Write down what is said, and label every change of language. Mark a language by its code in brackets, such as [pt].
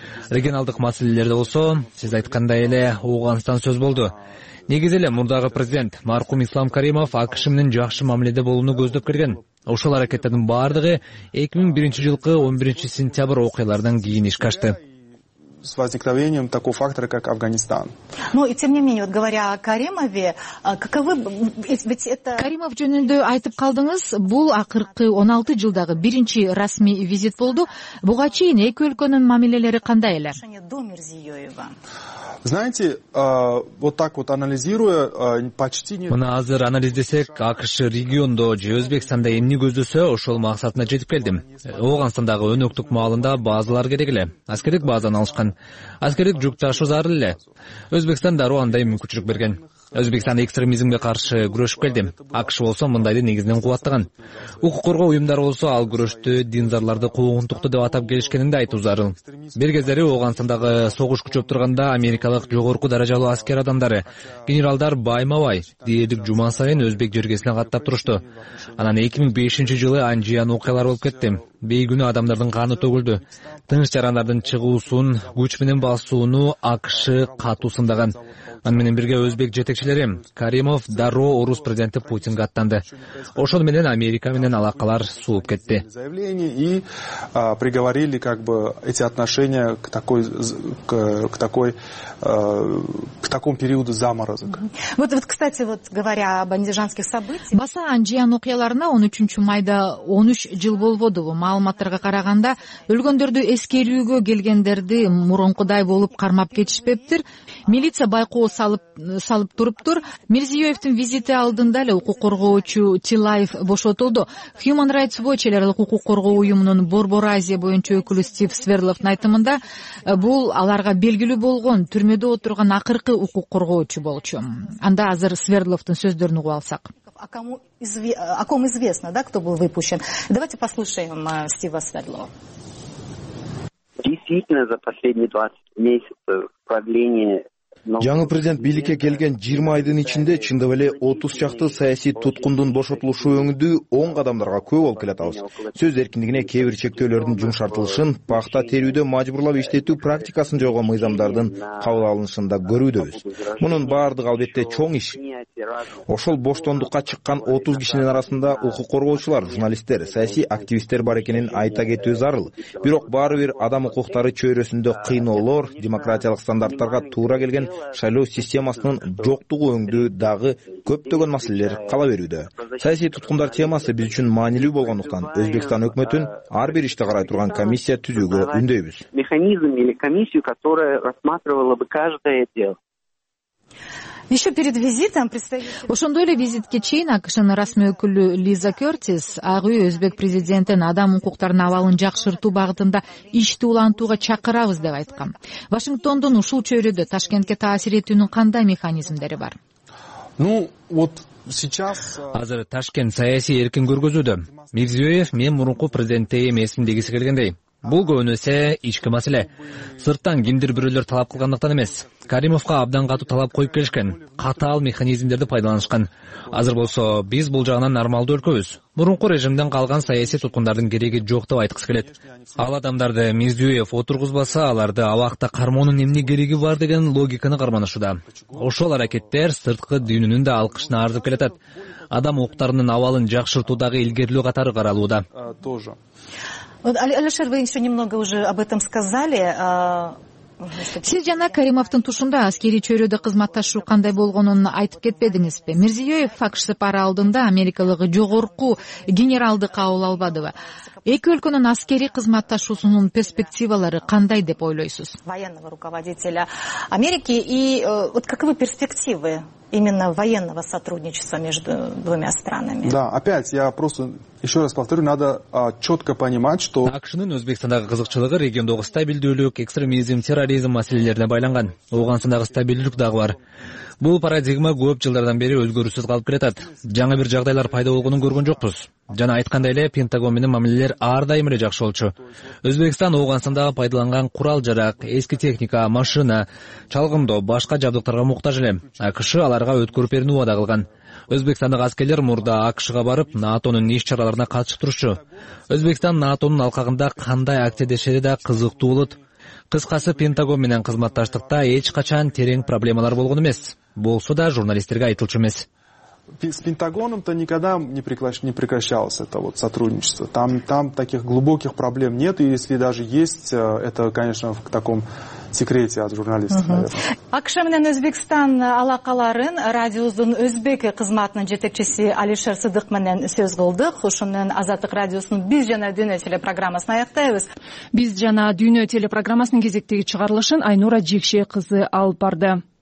[ky] Регионалдык маселелерде болсо, сиз айткандай эле Ооганстан сөз болду. Негизи эле мурдагы президент маркум Ислам Каримов АКШ менен жакшы мамиледе болууну көздөп келген. Ошол аракеттердин баардыгы 2001-жылкы 11-сентябрь окуяларынан кийин ишке ашты. [ru] С возникновением такого фактора, как Афганистан. Но и тем не менее, вот говоря о Каримове, каковы ведь это [ky] Каримов жөнүндө айтып калдыңыз, бул акыркы 16 жылдагы биринчи расмий визит болду. Буга чейин эки өлкөнүн мамилелери кандай эле? [ru] До Мирзиёева. Знаете, вот так вот анализируя, почти не... [ky] Мына азыр анализдесек, АКШ региондо же Өзбекстанда эмне көздөсө, ошол максатына жетип келдим. Оогонстандагы өнөктүк маалында базалар керек эле. Аскерлик базаны алышкан. Аскерлик жүк ташуу зарыл эле. Өзбекстан дароо андай мүмкүнчүлүк берген. Өзбекстан экстремизмге каршы күрөшүп келдим. АКШ болсо мындайды негизинен кууваттаган. Укук коргоо уюмдары болсо ал күрөштү динзарларды куугунтукту деп атап келишкенин да айтуу зарыл. Бир кездери Ооганстандагы согуш күчөп турганда америкалык жогорку даражалуу аскер адамдары, генералдар байма-бай дээрлик жуман сайын өзбек жергесине каттап турушту. Анан 2005-жылы Анжиян окуялары болуп кетти. Бейгүнө адамдардын каны төгүлдү. Тынч жарандардын чыгуусун, күч менен басууну АКШ катуу сындаган. Аны менен бирге өзбек жетекчилери Каримов дароо орус президенти Путинге аттанды. Ошол менен Америка менен алакалар сууп кетти. [ru] Заявление и приговорили как бы эти отношения к такой к такой к такому периоду заморозок. Вот вот, кстати, вот говоря об андижанских событиях. [ky] Баса Анжиян окуяларына 13 майда 13 жыл болбоду. Маалыматтарга караганда өлгөндөрдү эскерүүгө келгендерди мурункудай болуп кармап кетишпептир. Милиция байкоо салып туруптур. Мирзиёевдин визити алдында эле укук коргоочу Тилаев бошотулду. Human Rights Watch эле укук коргоо уюмунун Борбор Азия боюнча өкүлү Стив Сверловдун айтымында бул аларга белгилүү болгон түрмөдө отурган акыркы укук коргоочу болчу. Анда азыр Сверловдун сөздөрүн угуп алсак. [ru] О ком известно, да, кто был выпущен. Давайте послушаем Стива Сверлова. Действительно, за последние 20 месяцев правление... [ky] Жаңы президент бийликке келген 20 айдын ичинде чындап эле 30 чакты саясий туткундун бошотулушу өңүдү оң кадамдарга көп болуп келатабыз. Сөз эркиндигине кээ бир чектөөлөрдүн жумшартылышын, пахта терүүдө мажбурлап иштетүү практикасын жойгон мыйзамдардын кабыл алынышында көрүүдөбүз. Мунун баардыгы албетте чоң иш. Ошол боштондукка чыккан 30 кишинин арасында укук коргоочулар, журналисттер, саясий активисттер бар экенин айта кетүү зарыл. Бирок баары бир адам укуктары чөйрөсүндө кыйноолор, демократиялык стандарттарга туура келген шайлоо системасынын жоктугу өңдү дагы көптөгөн маселелер кала берүүдө. Саясий туткундар темасы биз үчүн маанилүү болгондуктан Өзбекстан өкмөтүн ар бир ишти карай турган комиссия түзүүгө үндөйбүз. [ru] Механизм или комиссию, которая рассматривала бы каждое дело. Еще перед визитом представитель... [ky] Ошондой эле визитке чейин АКШнын расмий өкүлү Лиза Кёртис Ак Үй өзбек президентин адам укуктарынын абалын жакшыртуу багытында ишти улантууга чакырабыз деп айткан. Вашингтондун ушул чөйрөдө Ташкентке таасир этүүнүн кандай механизмдери бар? [ru] Ну, вот сейчас [ky] азыр Ташкент саясий эркин көргөзүүдө. Мирзиёев мен мурунку президентте эмесмин дегиси келгендей, бул көбүнесе ички маселе. Сырттан кимдир бирөөлөр талап кылгандыктан эмес. Каримовго абдан катуу талап коюп келишкен, катаал механизмдерди пайдаланышкан. Азыр болсо биз бул жагынан нормалдуу өлкөбүз. Мурунку режимден калган саясий туткундардын кереги жок деп айткысы келет. Ал адамдарды Мирзиёев отургузбаса, аларды абакта кармоонун эмне кереги бар деген логиканы карманышууда. Ошол аракеттер сырткы дүйнөнүн да алкышына арзып келатат. Адам укуктарынын абалын жакшыртуудагы илгерилөө катары каралууда. [ru] Вот, Алишер, вы еще немного уже об этом сказали. [ky] Сиз жана Каримовдун тушунда аскерий чөйрөдө кызматташуу кандай болгонун айтып кетпедиңизби? Мирзиёев АКШ сапары алдында америкалык жогорку генералды кабыл албадыбы? Эки өлкөнүн аскерий кызматташуусунун перспективалары кандай деп ойлойсуз? [ru] Военного руководителя Америки и вот каковы перспективы именно военного сотрудничества между двумя странами? Да, опять я просто еще раз повторю, надо четко понимать, что [ky] АКШнын Өзбекстандагы кызыкчылыгы региондогу стабилдүүлүк, экстремизм, терроризм маселелерине байланган. Ооганстандагы стабилдүүлүк дагы бар. Бул парадигма көп жылдардан бери өзгөрүүсүз калып келатат. Жаңы бир жагдайлар пайда болгонун көргөн жокпуз. Жана айткандай эле Пентагон менен мамилелер ар дайым эле жакшы болчу. Өзбекстан Ооганстандагы пайдаланган курал-жарак, эски техника, машина, чалгындоо, башка жабдыктарга муктаж эле. АКШ аларга өткөрүп берүүнү убада кылган. Өзбекстандагы аскерлер мурда АКШга барып, НАТОнун иш чараларына катышып турушчу. Өзбекстан НАТОнун алкагында кандай активдешери да кызыктуу болот. Кыскасы, Пентагон менен кызматташтыкта эч качан терең проблемалар болгон эмес. Болсо да журналисттерге айтылчу эмес. [ru] С Пентагоном-то никогда не прекращалось это вот сотрудничество. Там таких глубоких проблем нет, и если даже есть, это, конечно, в таком секрете от журналистов, наверное. [ky] Акша менен Өзбекстан алакаларын радиосунун өзбек кызматынын жетекчиси Алишер Сыдык менен сөз кылдык. Ушундан Азаттык радиосунун биз жана дүйнө телепрограммасын аяктайбыз. Биз жана дүйнө телепрограммасынын кезектеги чыгарылышын Айнура Жекше кызы алып барды.